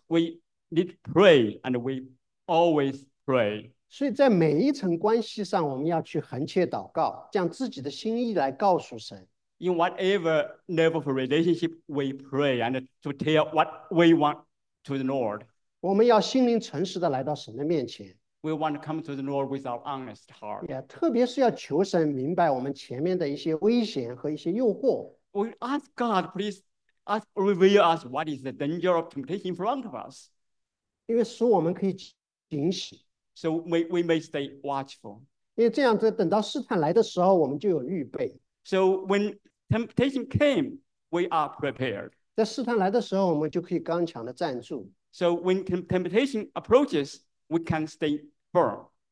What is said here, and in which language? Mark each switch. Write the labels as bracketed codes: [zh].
[en] we need to pray, and we always pray. [zh] 所以在每一层关系上，我们要去横切祷告，将自己的心意来告诉神。 [en] In whatever level of relationship, we pray and to tell what we want to the Lord. [zh] 我们要心灵诚实地来到神的面前。 [en] We want to come to the Lord with our honest heart. [zh] Yeah, 特别是要求神明白我们前面的一些危险和一些诱惑。 [en] We ask God, please ask, reveal us what is the danger of temptation in front of us. [zh] 因为使我们可以警醒。 [en] So we may stay watchful. [zh] 因为这样子等到试探来的时候，我们就有预备。 [en] So when temptation came, we are prepared. [zh] 在试探来的时候，我们就可以刚强的站住。 [en] So when temptation approaches, we can stay firm.